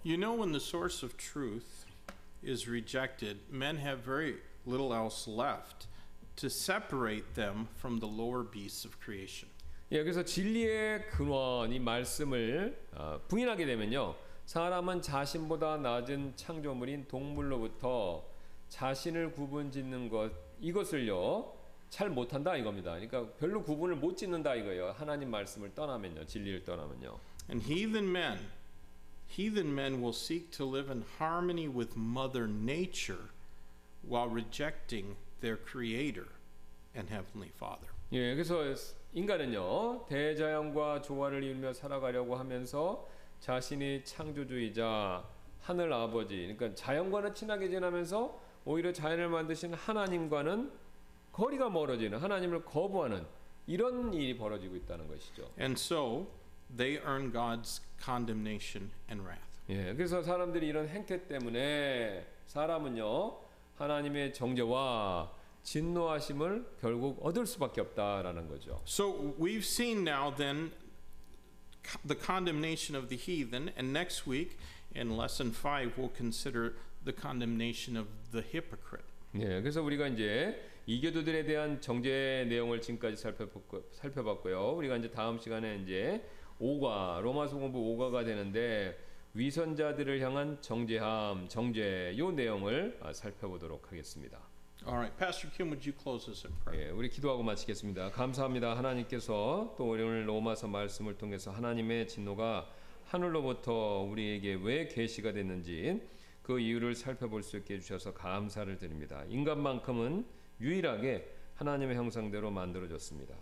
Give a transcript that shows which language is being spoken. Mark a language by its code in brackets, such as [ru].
[en] You know when the source of truth is rejected, men have very little else left to separate them from the lower beasts of creation. [ko] 예, 그래서 진리의 근원이 말씀을 부인하게 되면요, 사람은 자신보다 낮은 창조물인 동물로부터 자신을 구분짓는 것 이것을요 잘 못한다 이겁니다. 그러니까 별로 구분을 못 짓는다 이거예요. 하나님 말씀을 떠나면요, 진리를 떠나면요. [en] And heathen men will seek to live in harmony with Mother Nature while rejecting their Creator and Heavenly Father. [ko] 예, 그래서 인간은요 대자연과 조화를 이루며 살아가려고 하면서 자신이 창조주이자 하늘 아버지 그러니까 자연과는 친하게 지내면서 오히려 자연을 만드신 하나님과는 거리가 멀어지는 하나님을 거부하는 이런 일이 벌어지고 있다는 것이죠. [en] And so they earn God's condemnation and wrath. [ko] 예, 그래서 사람들이 이런 행태 때문에 사람은요 하나님의 정죄와 진노하심을 결국 얻을 수밖에 없다라는 거죠. [en] So we've seen now then the condemnation of the heathen and next week in lesson 5 we'll consider the condemnation of the hypocrite. [ko] 네, 그래서 우리가 이제 이교도들에 대한 정죄 내용을 지금까지 살펴봤고요. 우리가 이제 다음 시간에 이제 5과 로마서 공부 5과가 되는데 위선자들을 향한 정죄함, 정죄 요 내용을 살펴보도록 하겠습니다. [en] All right, Pastor Kim, would you close us in prayer? [ko] 예, 우리 기도하고 마치겠습니다. 감사합니다. 하나님께서 또 오늘 로마서 말씀을 통해서 하나님의 진노가 하늘로부터 우리에게 왜 계시가 됐는지 그 이유를 살펴볼 수 있게 해주셔서 감사를 드립니다. 인간만큼은 유일하게 하나님의 형상대로 만들어졌습니다.